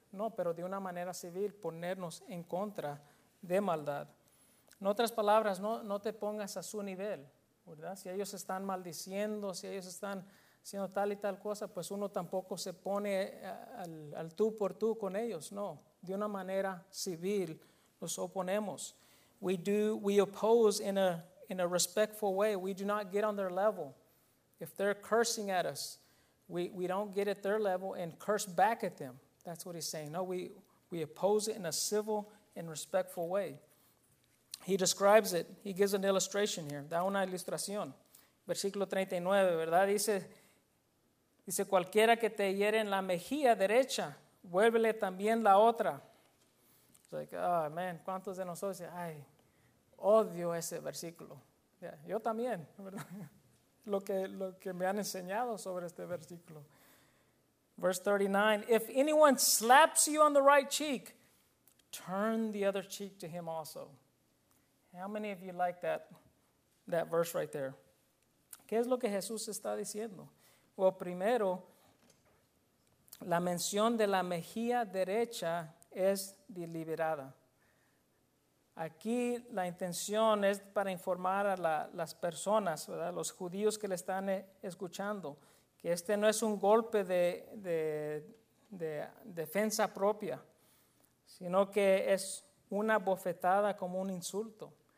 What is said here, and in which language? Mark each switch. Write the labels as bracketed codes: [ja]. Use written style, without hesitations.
[es] No, pero de una manera civil, ponernos en contra de maldad. En otras palabras, no te pongas a su nivel, ¿verdad? Si ellos están maldiciendo, si ellos están haciendo tal y tal cosa, pues uno tampoco se pone al tú por tú con ellos. No, de una manera civil nos oponemos. [en] We oppose in a respectful way. We do not get on their level. If they're cursing at us, we don't get at their level and curse back at them. That's what he's saying. No, we oppose it in a civil and respectful way. He describes it. He gives an illustration here. [es] Da una ilustración. Versículo 39, ¿verdad? Dice cualquiera que te hiere en la mejilla derecha, vuélvele también la otra. [en] It's like, oh, man, [es] ¿cuántos de nosotros dicen, ay, odio ese versículo? Yeah, yo también, ¿verdad? Lo que me han enseñado sobre este versículo. [en] Verse 39, if anyone slaps you on the right cheek, turn the other cheek to him also. How many of you like that verse right there? [es] ¿Qué es lo que Jesús está diciendo? Well, primero, la mención de la mejilla derecha es deliberada. Aquí la intención es para informar a las personas, ¿verdad? Los judíos que le están escuchando, que este no es un golpe de defensa propia, sino que es una bofetada como un insulto.